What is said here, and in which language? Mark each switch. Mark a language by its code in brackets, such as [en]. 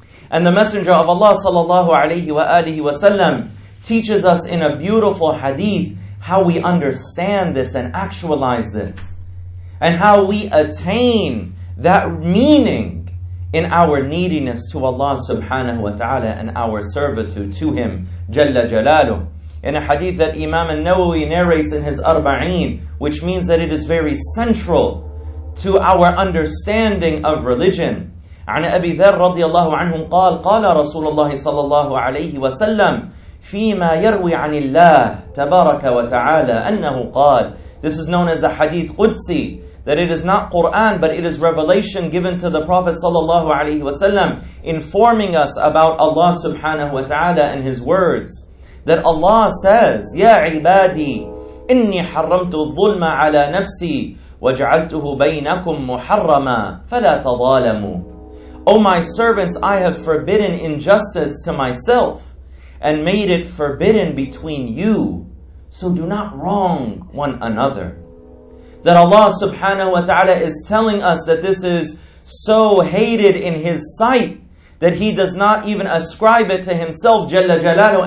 [en] And the Messenger of Allah sallallahu alayhi wa alihi wa sallam teaches us in a beautiful hadith how we understand this and actualize this, and how we attain that meaning in our neediness to Allah subhanahu wa ta'ala and our servitude to Him, Jalla Jalaluh. In a hadith that Imam al-Nawawi narrates in his Arba'een, which means that it is very central to our understanding of religion. [ar] عن أبي ذر رضي الله عنه قال قال رسول الله صلى الله عليه وسلم فيما يروي عن الله تبارك وتعالى أنه قال. [en] This is known as a hadith Qudsi, that it is not Quran, but it is revelation given to the Prophet sallallahu alaihi wasallam, informing us about Allah subhanahu wa ta'ala and His words. That Allah says, [ar] يا عبادي إني حرمت الظلم على نفسي وجعلته بينكم محرما فلا تظالموا. [en] O my servants, I have forbidden injustice to myself and made it forbidden between you. So do not wrong one another. That Allah subhanahu wa ta'ala is telling us that this is so hated in His sight that He does not even ascribe it to Himself, Jalla Jalalu.